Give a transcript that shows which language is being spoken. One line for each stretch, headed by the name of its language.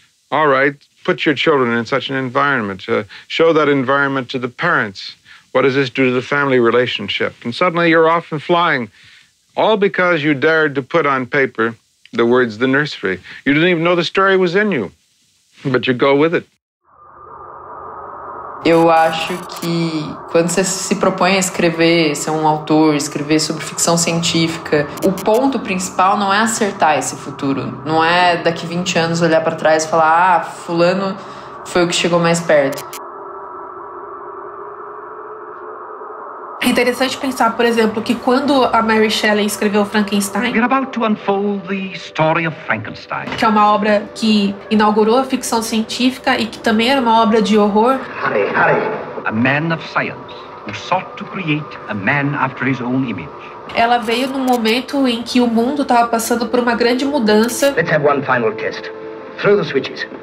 English: All right, put your children in such an environment. Show that environment to the parents. What does this do to the family relationship? And suddenly you're off and flying. All because you dared to put on paper the words, the nursery. You didn't even know the story was in you, but you go with it.
Portuguese: Eu acho que quando você se propõe a escrever, ser um autor, escrever sobre ficção científica, o ponto principal não é acertar esse futuro. Não é daqui 20 anos olhar para trás e falar, ah, fulano foi o que chegou mais perto. É interessante pensar, por exemplo, que quando a Mary Shelley escreveu Frankenstein,
English: we're about to unfold the story of Frankenstein,
Portuguese: que é uma obra que inaugurou a ficção científica e que também era uma obra de horror.
English: Hurry, hurry. A man of science who sought to create a man after his own image.
Portuguese: Ela veio num momento em que o mundo estava passando por uma grande mudança.
English: Let's have one final test. Throw the switches.